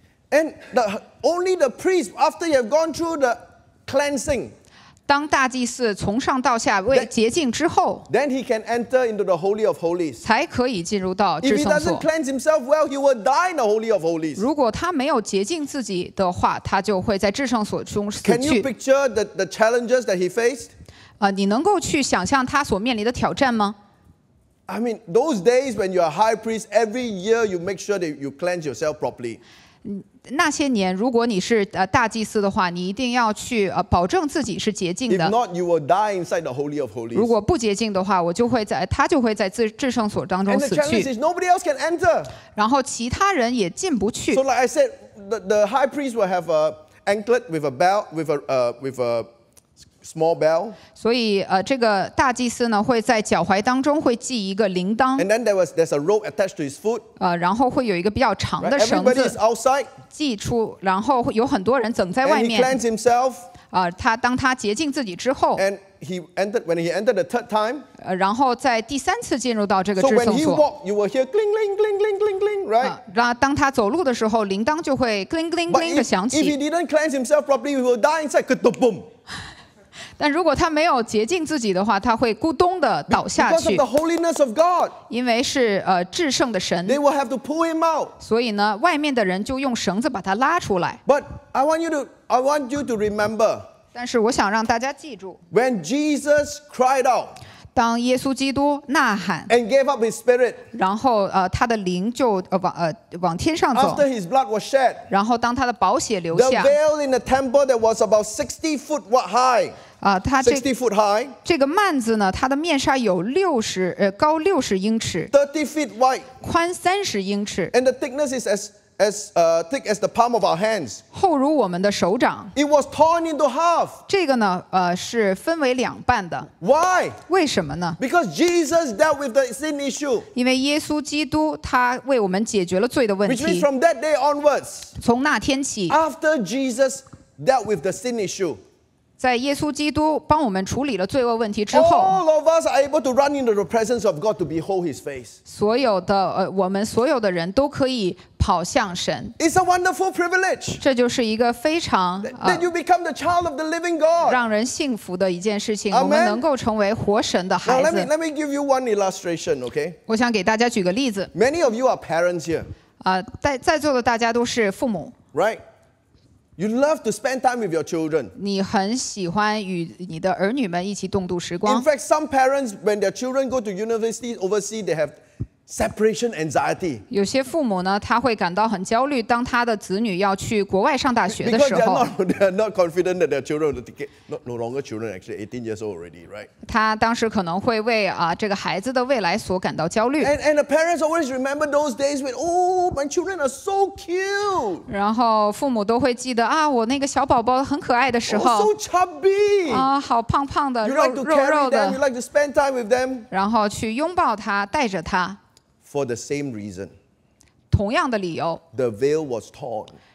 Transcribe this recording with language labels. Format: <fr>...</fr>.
<en>And the only the priest after you have gone through the cleansing,</en> <zh>当大祭司从上到下为洁净之后</zh> <en>then he can enter into the holy of holies.</en> <zh>才可以进入到至圣所。</zh> <en>If he doesn't cleanse himself well, he will die in the holy of holies.</en> <zh>如果他没有洁净自己的话，他就会在至圣所中死去。</zh> <en>Can you picture the challenges that he faced?</en> <zh>你能够去想象他所面临的挑战吗？</zh> <en>I mean, those days when you are high priest, every year you make sure that you cleanse yourself properly.</en> <zh>那些年，如果你是大祭司的话，你一定要去保证自己是洁净的。</zh> <en>If not, you will die inside the holy of holies.</en> <zh>如果不洁净的话，我就会在他就会在至圣所当中死去。</zh> <en>And the challenge is nobody else can enter.</en> <zh>然后其他人也进不去。</zh> <en>So like I said, the high priest will have an anklet with a bell with a small bell.</en> <zh>所以这个大祭司呢会在脚踝当中会系一个铃铛。</zh> <en>And then there's a rope attached to his foot.</en> <zh>然后会有一个比较长的绳子。</zh> <en>Everybody is outside.</en> <zh>系出，然后有很多人整在外面。</zh> <en>And he cleansed himself.</en> <zh>他当他洁净自己之后。</zh> <en>And when he entered the third time.</en> <zh>然后在第三次进入到这个至圣所。</zh> <en>So when he walked, you will hear cling cling cling cling cling cling, right?</en> <zh>当他走路的时候，铃铛就会</zh> <en>cling cling cling</en> <zh>的响起。</zh> <en>But if he didn't cleanse himself properly, he will die inside. Kaboom.</en> <zh>但如果他没有洁净自己的话，他会咕咚地倒下去。</zh> <en>Because of the holiness of God,</en> <zh>因为是至圣的神。</zh> <en>They will have to pull him out.</en> <zh>所以呢，外面的人就用绳子把他拉出来。</zh> <en>But I want you to remember.</en> <zh>但是我想让大家记住。</zh> <en>When Jesus cried out,</en> <zh>当耶稣基督呐喊</zh> <en>，and gave up his spirit,</en> <zh>然后他的灵就往天上走。</zh> <en>After his blood was shed,</en> <zh>然后当他的宝血流下</zh> <en>，the veil in the temple that was about 60 foot high. 60 foot high.</en> <zh>这个幔子呢，它的面纱有高60英尺</zh> <en>，30 feet wide，</en> <zh>宽30英尺</zh> <en>，and the thickness is as thick as the palm of our hands.</en> <zh>厚如我们的手掌。</zh> <en>It was torn into half.</en> <zh>这个呢，是分为两半的。</zh> <en>Why?</en> <zh>为什么呢</zh> <en>？Because Jesus dealt with the sin issue.</en> <zh>因为耶稣基督他为我们解决了罪的问题。</zh> <en>Which means from that day onwards.</en> <zh>从那天起。</zh> <en>After Jesus dealt with the sin issue.</en> <zh>在耶稣基督帮我们处理了罪恶问题之后</zh> <en>，All of us are able to run into the presence of God to behold His face.</en> <zh>所有的我们所有的人都可以跑向神。</zh> <en>It's a wonderful privilege.</en> <zh>这就是一个非常</zh> <en>that you become the child of the living God.</en> <zh>让人幸福的一件事情。</zh> <en>Amen.</en> <zh>我们能够成为活神的孩子。</zh> <en>Now let me give you one illustration, okay?</en> <zh>我想给大家举个例子。</zh> <en>Many of you are parents here.</en> <zh>在座的大家都是父母。</zh> <en>Right. You love to spend time with your children.</en> <zh>你很喜欢与你的儿女们一起共度时光。</zh> <en>In fact, some parents, when their children go to university overseas, they have separation anxiety.</en> <zh>有些父母呢，他会感到很焦虑，当他的子女要去国外上大学的时候。</zh> <en>Because they're not confident that their children no longer children, actually 18 years old already, right?</en> <zh>他当时可能会为这个孩子的未来所感到焦虑。</zh> <en>And the parents always remember those days when, oh, my children are so cute.</en> <zh>然后父母都会记得我那个小宝宝很可爱的时候。</zh> <en>Oh, so chubby.</en> <zh>好胖胖的。</zh> <en>You like to carry them. You like to spend time with them.</en> <zh>然后去拥抱他，带着他。</zh> <en>For the same reason,</en> <zh>同样的理由</zh> <en>the veil was torn,</en>